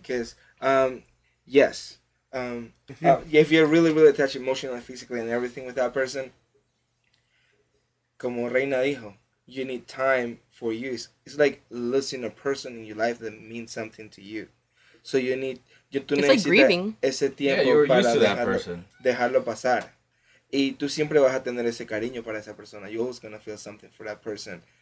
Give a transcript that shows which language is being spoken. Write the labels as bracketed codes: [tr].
[en] Because, yes, if you're really, really attached emotionally, physically, and everything with that person, [es] como Reina dijo, [en] you need time for you. It's like losing a person in your life that means something to you. So you need... It's like grieving. [es] Ese tiempo [en] yeah, you're para used to dejarlo, that person. [es] Dejarlo pasar. Y tú siempre vas a tener ese cariño para esa persona. [en] You're always going to feel something for that person.